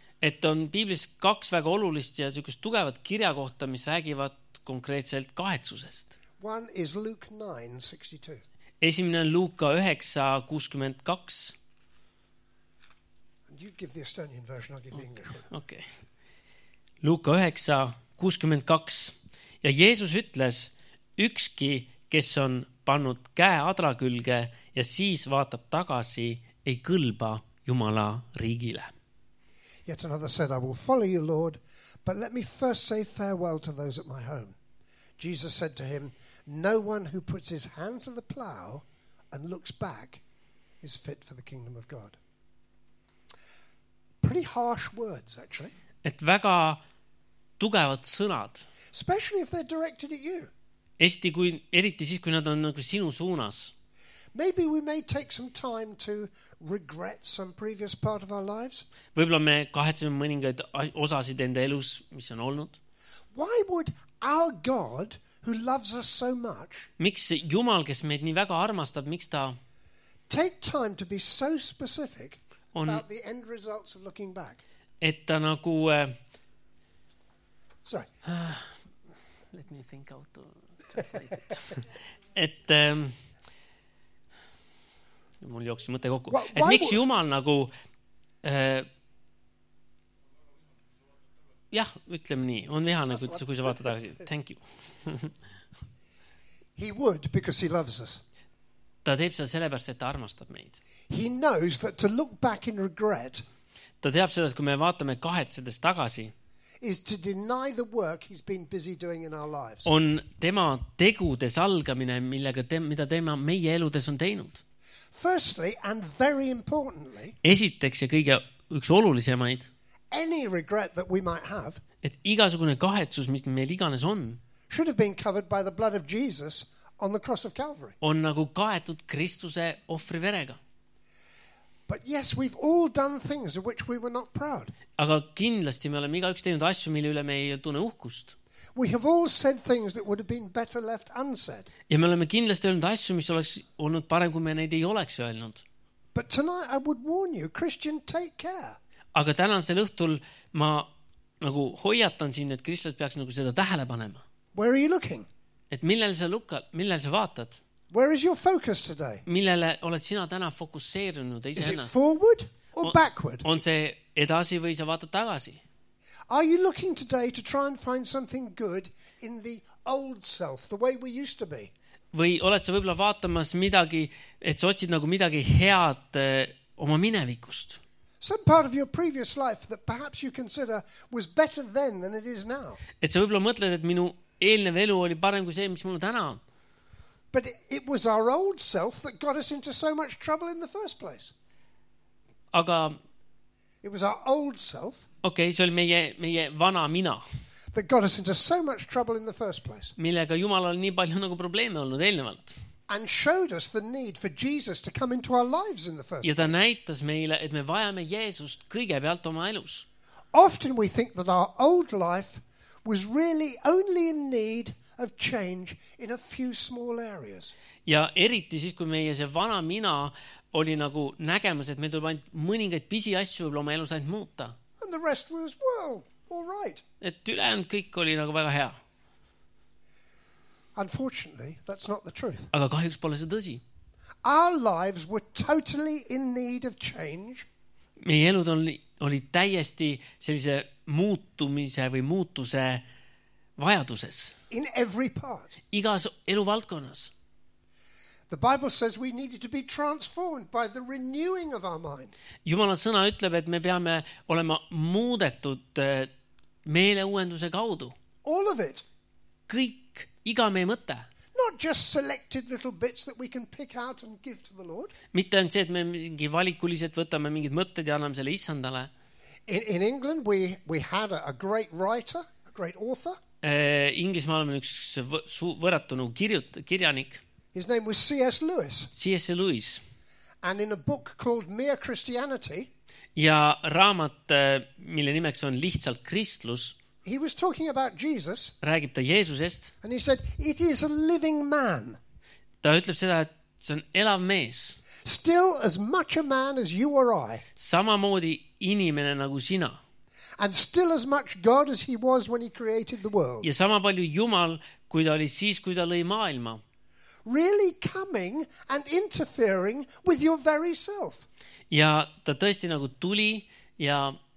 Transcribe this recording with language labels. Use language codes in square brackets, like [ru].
[et] Et on Biiblis kaks väga olulist ja sellist tugevat kirjakohta, mis räägivad konkreetselt kahetsusest. [en] One is Luke 9:62. [et] Esimene on Luuka 9:62. [en] And you give the Estonian version, I'll give the English one. [et] Okay. Luuka 9:62. Ja Jeesus ütles, ükski, kes on pannud käe adrakülge ja siis vaatab tagasi, ei kõlba Jumala riigile. [en] Yet another said, I will follow you, Lord, but let me first say farewell to those at my home. Jesus said to him, no one who puts his hand to the plow and looks back is fit for the kingdom of God. Pretty harsh words, actually. [et] Et väga tugevad sõnad. [en] Especially if they're directed at you. [et] Eriti siis, kui nad on nagu sinu suunas. [en] Maybe we may take some time to regret some previous part of our lives. [et] Võib-olla me kahetseme mõningaid osasid enda elus, mis on olnud. [en] Why would our God, who loves us so much, [et] miks Jumal, kes meid nii väga armastab, miks ta [en] take time to be so specific about the end results of looking back? [et] Et ta nagu [en] sorry. Let me think out to translate it. [et] Mul jooks mõte kokku. Et miks Jumal nagu jah, ütleme nii, on viha nagu, kui sa vaatad tagasi. [en] Thank you. He would because he loves us. [et] Ta teeb seda sellepärast, et ta armastab meid. [en] He knows that to look back in regret. [et] Ta teab seda, et kui me vaatame kahetsedes tagasi, [en] is to deny the work he's been busy doing in our lives. [et] On tema tegudes algamine, millega mida tema meie eludes on teinud. [en] Firstly and very importantly. [et] Esiteks ja kõige üks olulisemaid. [en] Any regret that we might have. [et] Et igasugune kahetsus, mis meil iganes on. [en] Should have been covered by the blood of Jesus on the cross of Calvary. [et] On nagu kaetud Kristuse ohvri verega. [en] But yes, we've all done things of which we were not proud. [et] Aga kindlasti me oleme igaüks teinud asju, mille üle me ei tunne uhkust. [en] We have all said things that would have been better left unsaid. [et] Ja me oleme kindlasti öelnud asju, mis oleks olnud parem, kui me neid ei oleks öelnud. [en] But tonight I would warn you, Christian, take care. [et] Aga tänasel õhtul ma nagu hoiatan siin, et kristlased peaks nagu seda tähele panema. [en] Where are you looking? [et] Et millel sa vaatad? [en] Where is your focus today? [et] Millele oled sina täna fokuseerunud? [en] Is it forward or backward? [et] On see edasi või sa vaatad tagasi? [en] Are you looking today to try and find something good in the old self, the way we used to be? [et] Või oled sa võibolla vaatamas midagi, et sa otsid nagu midagi head oma minevikust? [en] Some part of your previous life that perhaps you consider was better then than it is now. [et] Et sa võibolla mõtled, et minu eelnev elu oli parem kui see, mis mul täna on. [en] But it was our old self that got us into so much trouble in the first place. [et] Aga [en] it was our old self. [et] Okay, see oli meie vana mina. [en] That got us into so much trouble in the first place. [et] Millega Jumal on nii palju nagu probleeme olnud eelnevalt. [en] And showed us the need for Jesus to come into our lives in the first place. [et] Ja ta näitas meile, et me vajame Jeesust kõigepealt oma elus. [en] Often we think that our old life was really only in need of change in a few small areas. [et] Ja eriti siis, kui meie see vana mina oli nagu nägemas, et meil tuleb ainult mõningaid pisi asju võib oma elus ainult muuta. [en] And the rest was, well, all right. [et] Et ülejäänud kõik oli nagu väga hea. [en] Unfortunately, that's not the truth. [et] Aga kahjuks pole see tõsi. [en] Our lives were totally in need of change. [et] Meie elud oli täiesti sellise muutumise või muutuse vajaduses. [en] In every part. [et] Igas eluvaldkonnas. [en] The Bible says we needed to be transformed by the renewing of our mind. [et] Jumala sõna ütleb, et me peame olema muudetud meeleuuenduse kaudu. [en] All of it. [et] Kõik, iga meie mõte. [en] Not just selected little bits that we can pick out and give to the Lord. [et] Mitte on see, et me mingi valikuliselt võtame mingid mõtted ja anname selle Issandale. [en] In England we had a great writer, a great author. [et] Inglismaal on üks võrratunu kirjanik. [en] His name was C.S. Lewis. [et] C.S. Lewis. [en] And in a book called Mere Christianity. [et] Ja raamat, mille nimeks on Lihtsalt Kristlus. [en] He was talking about Jesus. [et] Räägib ta Jeesusest. [en] And he said, it is a living man. [et] Ta ütleb seda, et see on elav mees. [en] Still as much a man as you or I. [et] Samamoodi inimene nagu sina. [en] And still as much God as he was when he created the world. [et] Ja sama palju Jumal, kui ta oli siis, kui ta lõi maailma. [en] Really coming and interfering with your very self. [et] Ja ta tõesti nagu tuli ja